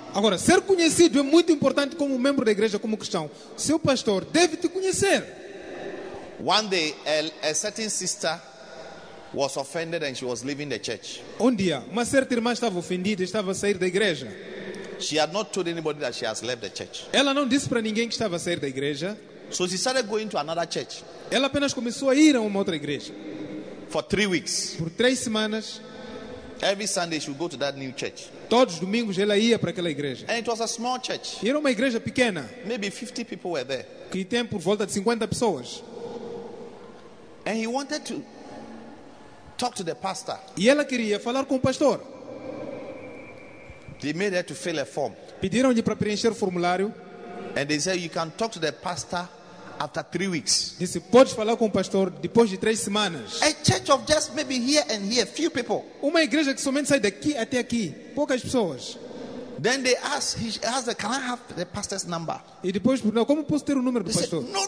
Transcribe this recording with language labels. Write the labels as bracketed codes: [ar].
[pt] Agora, ser conhecido é muito importante como membro da igreja, como cristão. Seu pastor deve te conhecer. [en] One day, a certain sister was offended and she was leaving the church. [pt] Um dia, uma certa irmã estava ofendida e estava a sair da igreja. [en] She had not told anybody that she has left the church. [pt] Ela não disse para ninguém que estava a sair da igreja. [en] So she started going to another church. [pt] Ela apenas começou a ir a uma outra igreja. [en] For 3 weeks. [pt] Por 3 semanas. [en] Every Sunday she would go to that new church. [pt] Todos os domingos ela ia para aquela igreja. [en] And it was a small church. [pt] E era uma igreja pequena. [en] Maybe 50 people were there. [pt] Que tem por volta de 50 pessoas. [en] And he wanted to talk to the pastor. [pt] E ela queria falar com o pastor. [en] They made her to fill a form. [pt] Pediram-lhe para preencher o formulário. [en] And they said you can talk to the pastor after 3 weeks. [pt] Disse, pode falar com o pastor depois de 3 semanas. [en] A church of just maybe here and here, few people. [pt] Uma igreja que somente sai daqui até aqui, poucas pessoas. [en] Then they asked, he asked, can I have the pastor's number? [pt] E depois perguntou, como posso ter o número do pastor?